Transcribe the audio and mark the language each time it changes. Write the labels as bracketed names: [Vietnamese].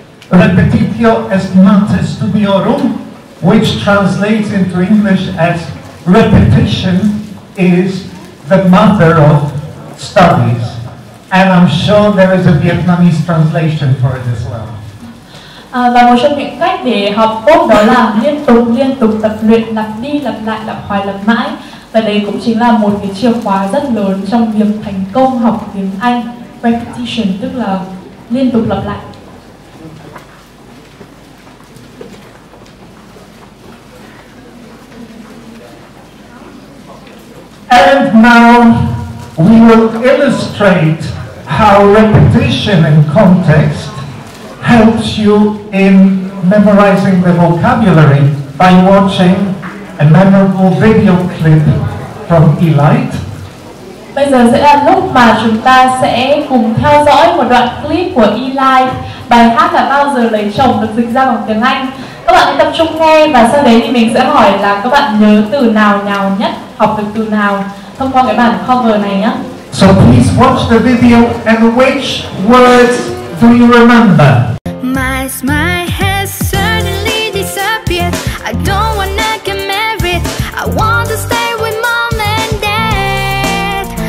[Latin] Repetitio est mater studiorum, [English] which translates into English as repetition is the mother of studies. And I'm sure there is a Vietnamese translation for it as well. [Vietnamese] Và một trong những cách để học tốt đó là liên tục tập luyện, lặp đi, lặp lại, lặp hoài, lặp mãi. Và đấy cũng chính là một cái chìa khóa rất lớn trong việc thành công học tiếng Anh. Repetition tức là liên tục lặp lại. [English] And now we will illustrate how repetition in context helps you in memorizing the vocabulary by watching a memorable video clip from Elite. [Vietnamese] Bây giờ sẽ là lúc mà chúng ta sẽ cùng theo dõi một đoạn clip của Elite, bài hát là Bao giờ lấy chồng được dịch ra bằng tiếng Anh. Các bạn tập trung nghe và sau đấy thì mình sẽ hỏi là các bạn nhớ từ nào nhào nhất, học được từ nào thông qua cái bản cover này nhé. [English] So please watch the video and which words do you remember? My smile has suddenly disappeared. I don't wanna get married. I want to stay with mom and dad.